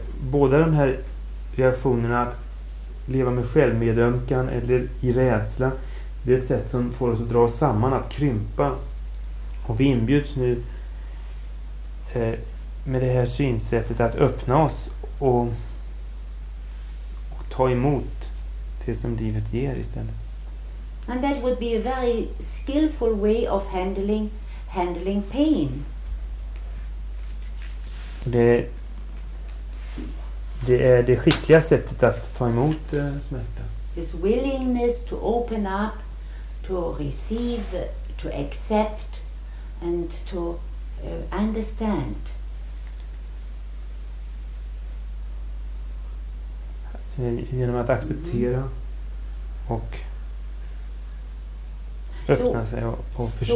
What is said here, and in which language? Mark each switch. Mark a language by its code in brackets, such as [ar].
[sv] Båda de här reaktionerna, att leva med självmedömkan eller i rädsla, det är ett sätt som får oss att dra samman, att krympa. Och vi inbjuds nu med det här synsättet att öppna oss och ta emot det som livet ger istället. [en] And that would be a very skillful way of handling pain. [sv] Det är det skickliga sättet att ta emot smärta. [en] This willingness to open up, to receive, to accept and to understand. [sv] Genom att acceptera och öppna sig och förstå.